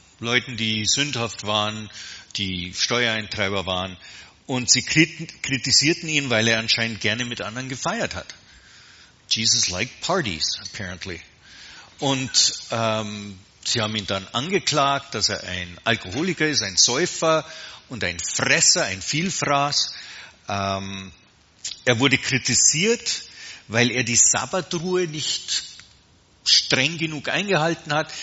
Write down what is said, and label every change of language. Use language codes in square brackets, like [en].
[de] Leuten, die sündhaft waren, die Steuereintreiber waren. Und sie kritisierten ihn, weil er anscheinend gerne mit anderen gefeiert hat. [en] Jesus liked parties, apparently. [de] Und sie haben ihn dann angeklagt, dass er ein Alkoholiker ist, ein Säufer und ein Fresser, ein Vielfraß. Er wurde kritisiert, weil er die Sabbatruhe nicht streng genug eingehalten hat.